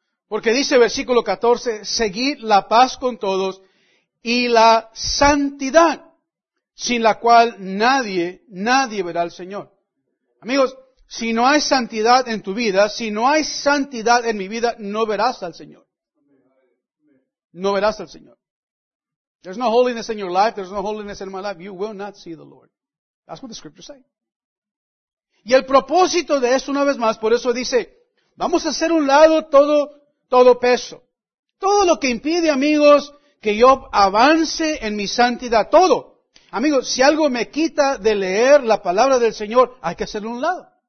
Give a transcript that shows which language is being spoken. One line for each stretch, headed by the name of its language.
Spanish: Porque dice versículo 14, seguid la paz con todos y la santidad, sin la cual nadie verá al Señor. Amigos, si no hay santidad en tu vida, si no hay santidad en mi vida, no verás al Señor. No verás al Señor.
English: There's no holiness in your life, there's no holiness in my life, you will not see the Lord. That's what the scriptures say.
Spanish: Y el propósito de esto, una vez más, por eso dice, vamos a hacer un lado todo peso. Todo lo que impide, amigos, que yo avance en mi santidad, todo. Amigos, si algo me quita de leer la palabra del Señor, hay que hacerlo a un lado.